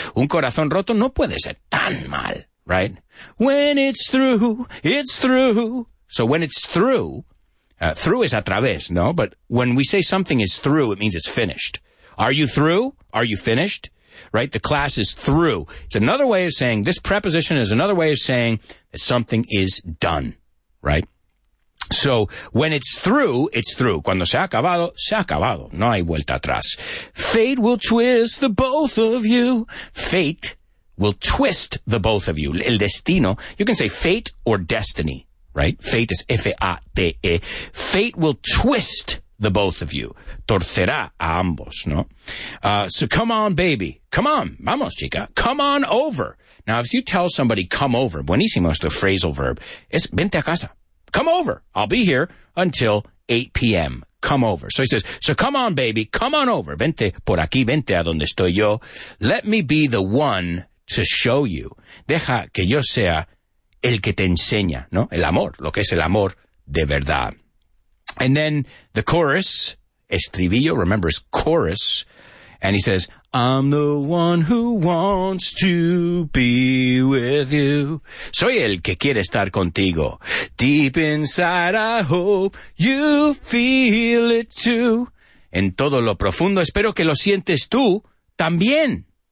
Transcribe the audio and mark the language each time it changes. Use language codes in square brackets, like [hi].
[es] Un corazón roto no puede ser tan mal, [en] right? When it's through, it's through. So when it's through, through is a través, no? But when we say something is through, it means it's finished. Are you through? Are you finished? Right? The class is through. It's another way of saying, this preposition is another way of saying that something is done, right? So when it's through, it's through. [es] Cuando se ha acabado, no hay vuelta atrás. [en] Fate will twist the both of you. Fate will twist the both of you. [es] El destino. [en] You can say fate or destiny, right? Fate is F-A-T-E. Fate will twist the both of you. [es] Torcerá a ambos, no? [en] So come on, baby. Come on. [es] Vamos, chica. [en] Come on over. Now, if you tell somebody, come over, [es] buenísimo, es [en] the phrasal verb, [es] es vente a casa. [en] Come over. I'll be here until 8 p.m. Come over. So he says, so come on, baby. Come on over. [es] Vente por aquí. Vente a donde estoy yo. [en] Let me be the one to show you. [es] Deja que yo sea el que te enseña, ¿no? El amor, lo que es el amor de verdad. [en] And then the chorus, estribillo, remember, is chorus. And he says, I'm the one who wants to be with you. [es] Soy el que quiere estar contigo. [en] Deep inside, I hope you feel it too. [es] En todo lo profundo, espero que lo sientes tú también.